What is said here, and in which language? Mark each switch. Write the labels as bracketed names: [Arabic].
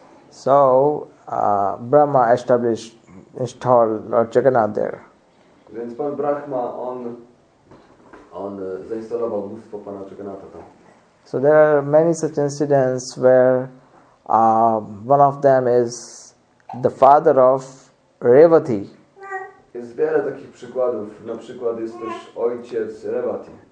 [English] So Brahma installed Lord Jagannath there. [Polish] Więc pan Brahma, on zainstalował bóstwo pana Jagannatha tam. [English] So there are many such incidents where one of them is the father of Revati. [Polish] Jest wiele takich przykładów. Na przykład jest też ojciec Revati.